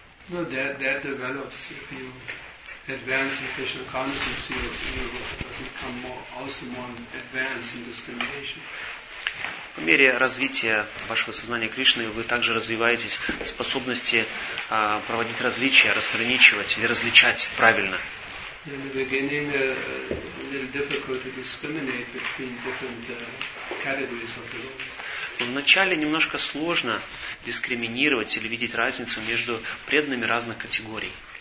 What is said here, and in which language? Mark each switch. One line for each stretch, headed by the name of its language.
English: No, that develops if you advance in Krishna consciousness, you become more advanced in discrimination.
Russian: По мере развития вашего сознания Кришны вы также развиваетесь в способности проводить различия, разграничивать или различать правильно.
English: In the beginning, a little difficult to discriminate between different categories of the world.
Russian: Вначале немножко сложно дискриминировать или видеть разницу между преданными разных категорий.